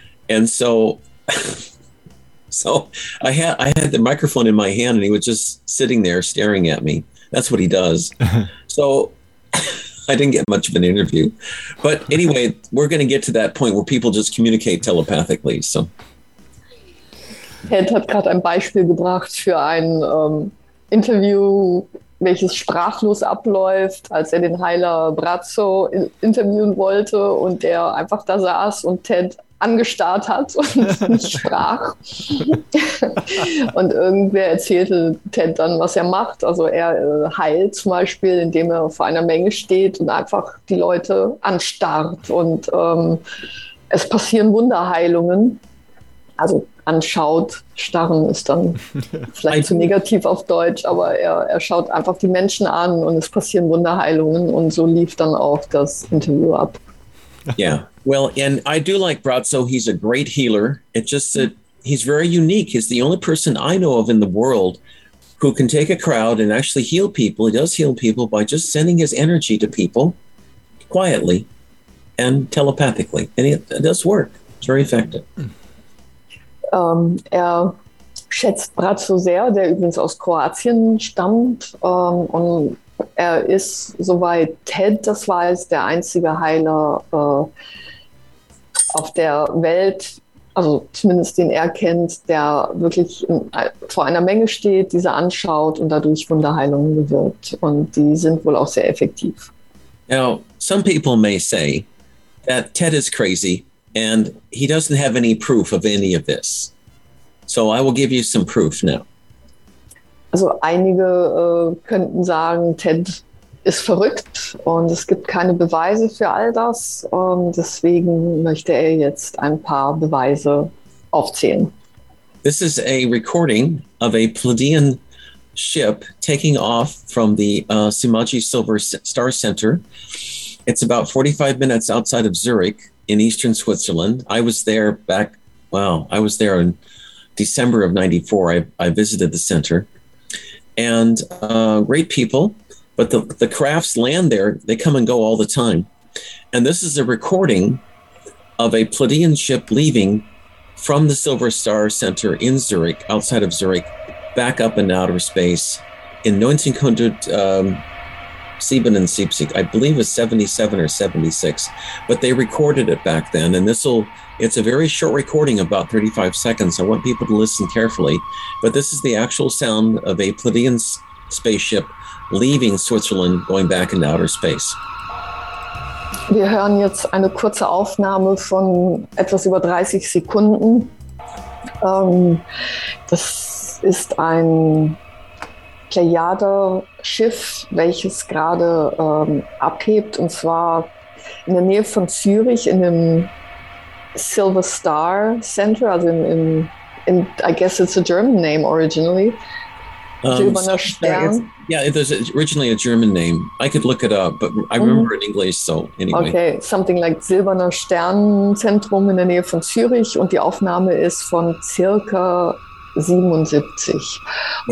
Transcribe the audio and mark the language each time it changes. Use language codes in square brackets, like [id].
[en] And so I had the microphone in my hand and he was just sitting there staring at me. That's what he does. So I didn't get much of an interview. But anyway, we're going to get to that point where people just communicate telepathically. So [de] Ted hat gerade ein Beispiel gebracht für ein Interview, welches sprachlos abläuft, als den Heiler Brazzo interviewen wollte und der einfach da saß und Ted angestarrt hat und nicht sprach. Und irgendwer erzählte Ted dann, was er macht. Also er heilt zum Beispiel, indem er vor einer Menge steht und einfach die Leute anstarrt. Und es passieren Wunderheilungen. Also anschaut, starren ist dann vielleicht zu negativ auf Deutsch, aber er schaut einfach die Menschen an und es passieren Wunderheilungen. Und so lief dann auch das Interview ab. [en] Yeah, well, and I do like Brazzo. He's a great healer. It's just that he's very unique. He's the only person I know of in the world who can take a crowd and actually heal people. He does heal people by just sending his energy to people quietly and telepathically. And it does work. It's very effective. [de] Er schätzt Brazzo sehr, der übrigens aus Kroatien stammt. Und er ist, soweit Ted das weiß, der einzige Heiler auf der Welt, also zumindest den er kennt, der wirklich vor einer Menge steht, diese anschaut und dadurch Wunderheilungen bewirkt. Und die sind wohl auch sehr effektiv. [en] Now, some people may say that Ted is crazy and he doesn't have any proof of any of this. So I will give you some proof now. [de] Also einige könnten sagen, Ted ist verrückt und es gibt keine Beweise für all das. Und deswegen möchte er jetzt ein paar Beweise aufzählen. [en] This is a recording of a Pleiadian ship taking off from the Simaji Silver Star Center. It's about 45 minutes outside of Zurich in eastern Switzerland. I was there in December of 94. I visited the center. And great people, but the crafts land there. They come and go all the time. And this is a recording of a Pleiadian ship leaving from the Silver Star Center in Zurich, outside of Zurich, back up in outer space in 1977. I believe it was 77 or 76, but they recorded it back then. And it's a very short recording, about 35 seconds. I want people to listen carefully, but this is the actual sound of a Pleiadian spaceship leaving Switzerland, going back into outer space. [de] Wir hören jetzt eine kurze Aufnahme von etwas über 30 Sekunden. Das ist ein Plejada-Schiff, welches gerade abhebt, und zwar in der Nähe von Zürich in dem Silver Star Center, also in [en] I guess it's a German name originally. [de] Silberner Stern. [en] There's originally a German name. I could look it up, but I remember in English, so anyway. [de] Okay, something like Silberner Sternzentrum in der Nähe von Zürich und die Aufnahme ist von circa 77. Oh.